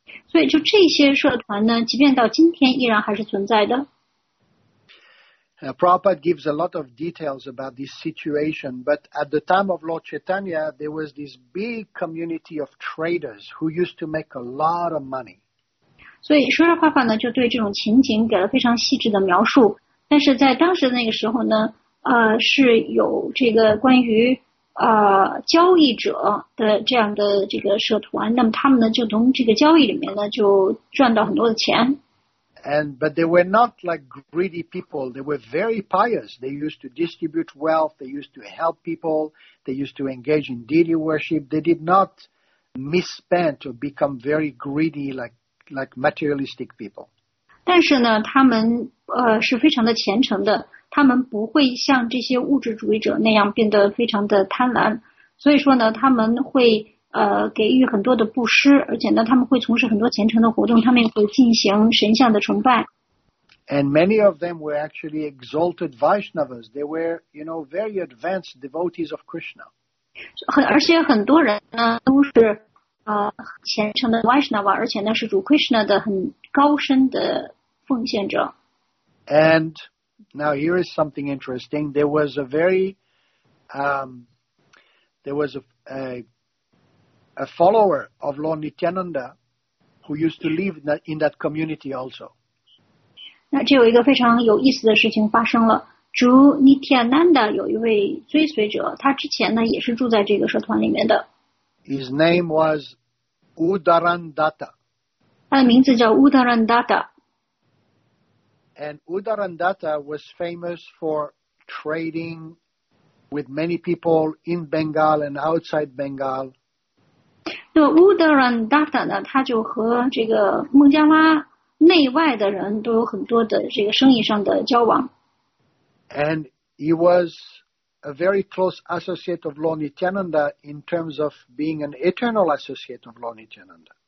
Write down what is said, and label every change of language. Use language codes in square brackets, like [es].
[zh] 所以就这些社团呢即便到今天依然还是存在的 [en] Prabhupada gives a lot of details about this situation, but at the time of Lord Chaitanya, there was this big community of traders who used to make a lot of money. [zh] 所以说说话话呢就对这种情景给了非常细致的描述。但是在当时那个时候呢是有这个关于交易者的这样的这个社团，那么他们呢就从这个交易里面呢就赚到很多的钱。 [en] But they were not like greedy people. They were very pious. They used to distribute wealth. They used to help people. They used to engage in deity worship. They did not misspend or become very greedy like materialistic people. [zh] 但是呢，他们是非常的虔诚的，他们不会像这些物质主义者那样变得非常的贪婪。所以说呢，他们会给予很多的布施，而且呢，他们会从事很多虔诚的活动，他们也会进行神像的崇拜。 [en] And many of them were actually exalted Vaishnavas. They were, very advanced devotees of Krishna. [zh] 而且很多人呢都是虔诚的 Vaishnava，而且呢是主 Krishna 的很高深的奉献者。 [en] And now here is something interesting. There was a very, there was a follower of Lord Nityananda who used to live in that community also. [zh] 那这有一个非常有意思的事情发生了。主 Nityananda 有一位追随者，他之前呢也是住在这个社团里面的。 [en] His name was Udarandatta. [zh] 他的名字叫 Udarandatta。 [en] And Udarandatta was famous for trading with many people in Bengal and outside Bengal. [zh] 那 Udarandatta 呢，他就和这个孟加拉内外的人都有很多的这个生意上的交往。 [en] And he was a very close associate of Lord Nityananda in terms of being an eternal associate of Lord Nityananda.